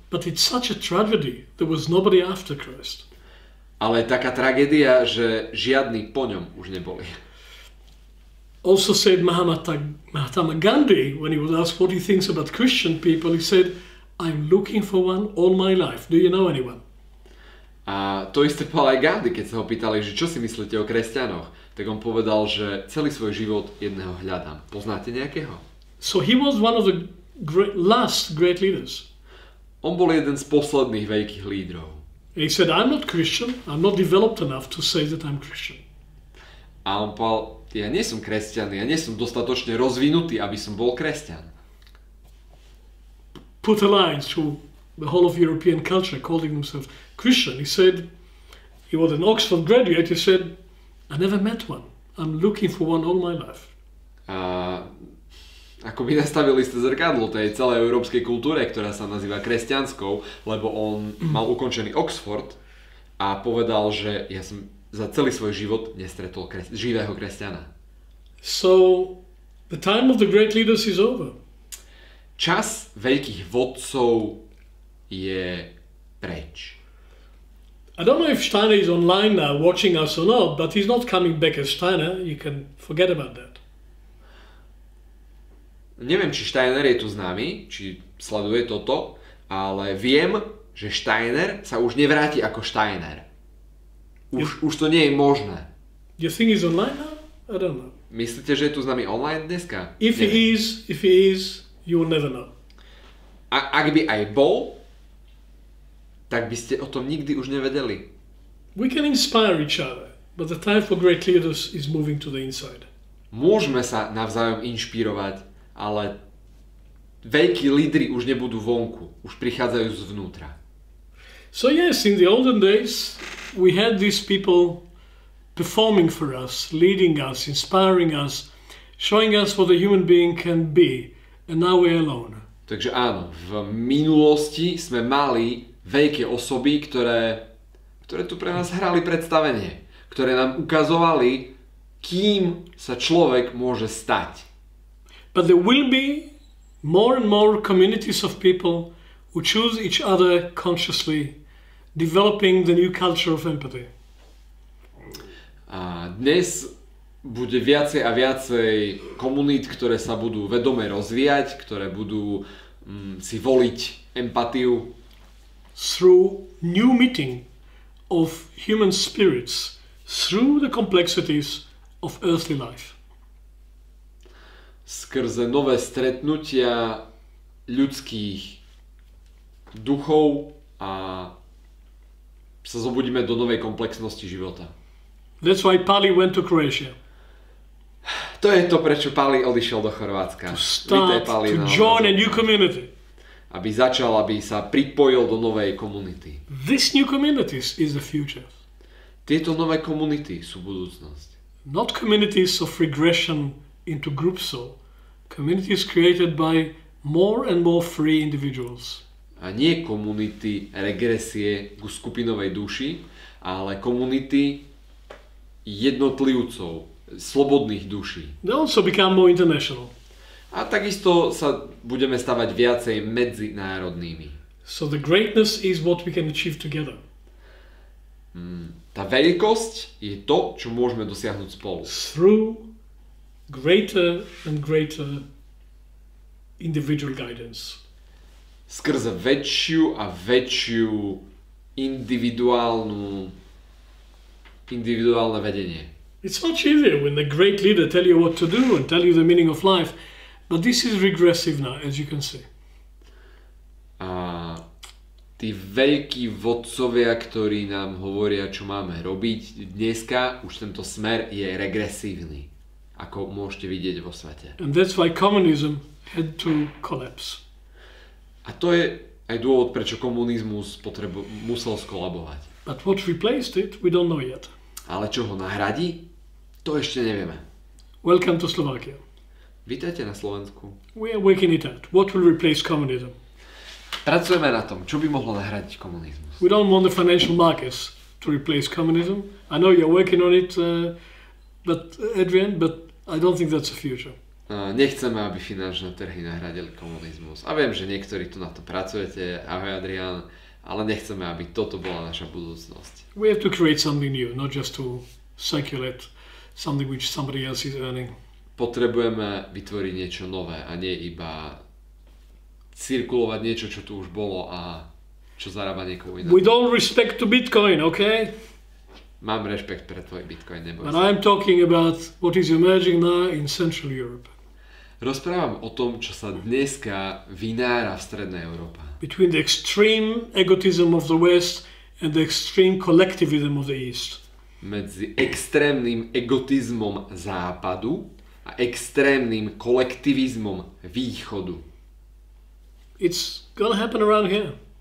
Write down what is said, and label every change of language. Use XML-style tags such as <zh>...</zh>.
<en>But it's such a tragedy, there was nobody after Christ.</en> <sk>Ale taká tragédia, že žiadny po ňom už neboli.</sk> <en>Also said Mahatma Gandhi, when he was asked what he thinks about Christian people, he said, I'm looking for one all my life. Do you know anyone?</en> <sk>A to isté povedal aj Gandhi, keď sa ho pýtali, že čo si myslíte o kresťanoch. Tak on povedal, že celý svoj život jedného hľadám. Poznáte nejakého?</sk> <en>So he was one of the last great leaders.</en> <sk>On bol jeden z posledných veľkých lídrov.</sk> <en>He said, I'm not Christian, I'm not developed enough to say that I'm Christian.</en> <sk>A on povedal, ja nie som kresťan, ja nie som dostatočne rozvinutý, aby som bol kresťan.</sk> <en>Put a line through the whole of European culture calling himself Christian. He said, he was an Oxford graduate, he said, I never met one. I'm looking for one all my life.</en> <sk>A ako by nastavili ste zrkadlo tej celej európskej kultúre, ktorá sa nazýva kresťanskou, lebo on mal ukončený Oxford a povedal, že ja som za celý svoj život nestretol živého kresťana.</sk> <en>So, the time of the great leaders is over.</en> <sk>Čas veľkých vodcov je preč.</sk> <en>I don't know if Steiner is online now watching us or not, but he's not coming back as Steiner. You can forget about that.</en> <sk>Neviem, či Steiner je tu s nami, či sleduje toto, ale viem, že Steiner sa už nevráti ako Steiner. Už to nie je možné.</sk> <en>You think he's online now? I don't know.</en> <sk>Myslíte, že je tu s nami online dneska?</sk> <en>If he is, you will never know.</en> <sk>A ak by aj bol, tak by ste o tom nikdy už nevedeli.</sk> <en>We can inspire each other, but the time for great leaders is moving to the inside.</en> <sk>Môžeme sa navzájom inšpirovať, ale veľkí lídri už nebudú vonku, už prichádzajú zvnútra.</sk> <en>So yes, in the olden days, we had these people performing for us, leading us, inspiring us, showing us what a human being can be, and now we're alone.</en> <sk>Takže áno, v minulosti sme mali veľké osoby, ktoré tu pre nás hrali predstavenie, ktoré nám ukazovali, kým sa človek môže stať.</sk> <en>But there will be more and more communities of people who choose each other consciously, developing the new culture of empathy.</en> <sk>A dnes bude viacej a viacej komunít, ktoré sa budú vedome rozvíjať, ktoré budú si voliť empatiu.</sk> <en>Through new meeting of human spirits through the complexities of earthly life.</en> <sk>Skrze nové stretnutia ľudských duchov a sa zobudíme do novej komplexnosti života.</sk> <en>That's why Pali went to Croatia.</en> <sk>To je to, prečo Pali odišiel do Chorvátska.</sk> <en>To join a new community.</en> <sk>Aby začal, aby sa pripojil do novej komunity.</sk> <en>This new community is the future.</en> <sk>Tieto nové komunity sú budúcnosť.</sk> <en>Not communities of regression into group soul. Communities created by more and more free individuals.</en> <sk>A nie komunity regresie ku skupinovej duši, ale komunity, jednotlivcov, slobodných duší.</sk> <en>They also become more international.</en> <sk>A takisto sa budeme stavať viacej medzinárodnými.</sk> <en>So the greatness is what we can achieve together.</en> <sk>Tá veľkosť je to, čo môžeme dosiahnuť spolu.</sk> <en>Through greater and greater individual guidance.</en> <sk>Skrze väčšiu a väčšiu individuálne vedenie.</sk> <en>It's much easier when the great leader tell you what to do and tell you the meaning of life. But this is regressive now, as you can see.</en> <sk>A tí veľkí vodcovia, ktorí nám hovoria, čo máme robiť, dneska už tento smer je regresívny, ako môžete vidieť vo svete.</sk> <en>And that's why communism had to collapse.</en> <sk>A to je aj dôvod, prečo komunizmus musel skolabovať.</sk> <en>But what replaced it, we don't know yet.</en> <sk>Ale čo ho nahradí, to ešte nevieme.</sk> <en>Welcome to Slovakia.</en> <sk>Vítajte na Slovensku.</sk> <en>We are working it out. What will replace communism?</en> <sk>Pracujeme na tom, čo by mohlo nahradiť komunizmus.</sk> <en>We don't want the financial markets to replace communism. I know you're working on it, but I don't think that's the future.</en> <sk>Nechceme, aby finančné trhy nahradili komunizmus. A viem, že niektorí tu na to pracujete, ahoj Adrián, ale nechceme, aby toto bola naša budúcnosť.</sk> <en>We have to create something new, not just to circulate something which somebody else is earning.</en> <sk>Potrebujeme vytvoriť niečo nové a nie iba cirkulovať niečo, čo tu už bolo a čo zarába niekomu iné.</sk> <en>We don't respect to Bitcoin, okay?</en> <sk>Mám rešpekt pre tvoj Bitcoin, neboj.</sk> <en>But I'm talking about what is emerging now in Central Europe.</en> <sk>Rozprávam o tom, čo sa dneska vynára v Strednej Európe.</sk> <en>Between the extreme egotism of the West and the extreme collectivism of the East.</en> <sk>Medzi extrémnym egotizmom Západu a extrémnym kolektivizmom Východu.</sk> <en>It's gonna happen around here.</en>